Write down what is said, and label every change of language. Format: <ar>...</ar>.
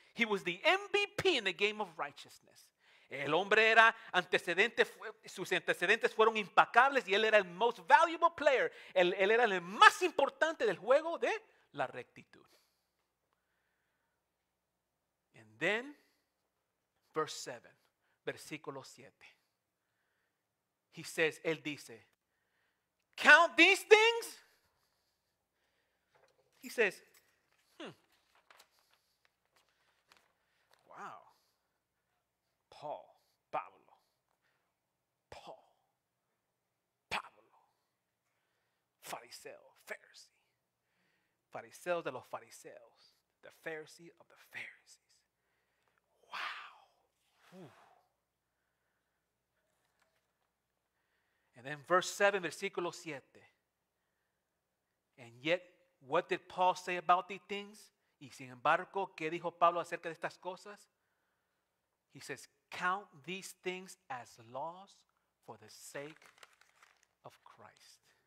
<en>He was the MVP in the game of righteousness.</en> <es>El hombre era antecedente, sus antecedentes fueron impecables y él era el</es> <en>most valuable player.</en> <es>Él era el más importante del juego de la rectitud.</es> <en>Then, verse 7,</en> <es>versículo 7.</es> <en>He says,</en> <es>él dice,</es> <en>count these things. He says, wow.</en> <es>Pablo, fariseo, Pharisee. Fariseos de los fariseos,</es> <en>the Pharisee of the Pharisees. Ooh. And then verse 7,</en> <es>versículo 7.</es> <en>And yet, what did Paul say about these things?</en> <es>Y sin embargo, ¿qué dijo Pablo acerca de estas cosas?</es> <en>He says, count these things as loss for the sake of Christ.</en>